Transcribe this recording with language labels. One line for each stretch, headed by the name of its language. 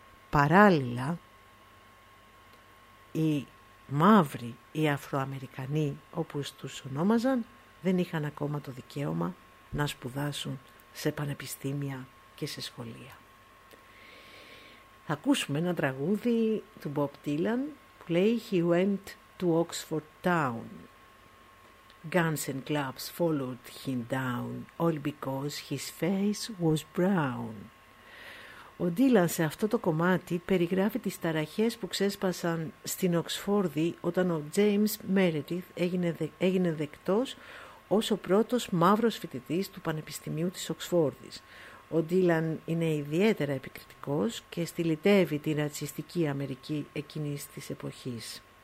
Greek: Παράλληλα, οι μαύροι, οι Αφροαμερικανοί, όπως τους ονόμαζαν, δεν είχαν ακόμα το δικαίωμα να σπουδάσουν σε πανεπιστήμια και σε σχολεία. Θα ακούσουμε ένα τραγούδι του Bob Dylan που λέει
English: «He went to Oxford Town». Guns and clubs followed him down, all because his face was brown.
Greek: Ο Ντίλαν σε αυτό το κομμάτι περιγράφει τις ταραχές που ξέσπασαν στην Οξφόρδη όταν ο James Meredith έγινε δεκτός ως ο πρώτος μαύρος φοιτητής του Πανεπιστημίου της Οξφόρδης. Ο Ντίλαν είναι ιδιαίτερα επικριτικός και στυλιτεύει τη ρατσιστική Αμερική εκείνης της εποχής.